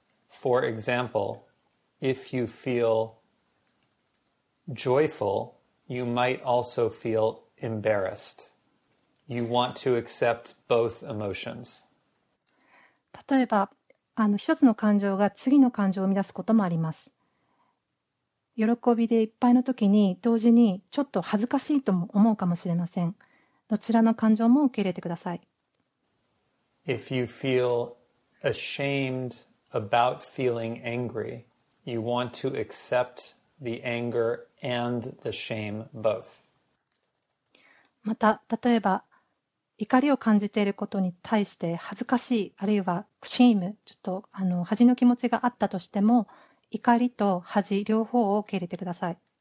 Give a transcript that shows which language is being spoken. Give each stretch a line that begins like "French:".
English: For example, if you feel joyful, you might also feel embarrassed. You want to accept both emotions.
Japanese: 例えば、一つの感情が次の感情を生み出すこともあります。喜びでいっぱいの時に、同時にちょっと恥ずかしいとも思うかもしれません。どちらの感情も受け入れてください。
English: If you feel ashamed about feeling angry, you want to accept the anger and the shame both.
Japanese: また、例えば、怒りを感じていることに対して恥ずかしい、あるいはシーム、ちょっと恥の気持ちがあったとしても、怒りと恥両方を受け入れてください。